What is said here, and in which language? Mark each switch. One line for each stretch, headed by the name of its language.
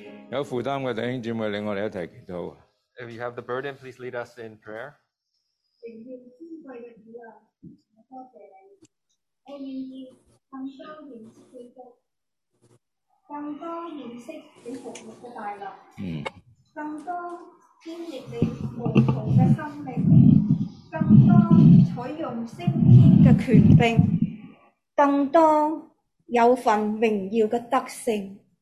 Chinese: 有负担的弟兄姊妹，领我们一起祈祷。
English: If you have the burden, please lead us in prayer.
Chinese: 荣耀尊贵的主啊，多谢你，我愿意更多认识基督，更多认识你服务的大能，更多经历你无穷的生命，更多采用升天的权柄，更多有份荣耀的德性。